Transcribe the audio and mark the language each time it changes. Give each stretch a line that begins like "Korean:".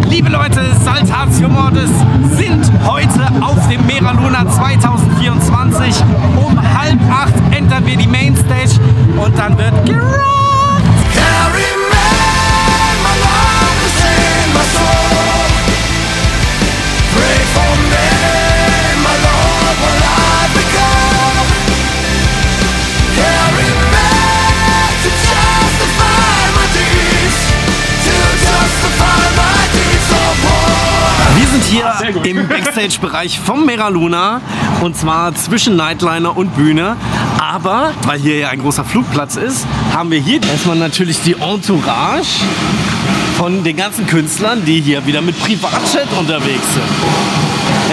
German: Liebe Leute, Saltatio Mortis sind heute auf dem Mera Luna 2024. Um 7:30 entern wir die Mainstage und dann wird gerockt!
English: Carry me, my love is in my soul. Pray for me, my Lord, while I've begun. Carry me to justify my deeds, to justify my deeds of war.
German: Wir sind hier im Backstage-Bereich vom Mera Luna. Und zwar zwischen Nightliner und Bühne. Aber, weil hier ja ein großer Flugplatz ist, haben wir hier erstmal natürlich die Entourage von den ganzen Künstlern, die hier wieder mit Privatjet unterwegs sind.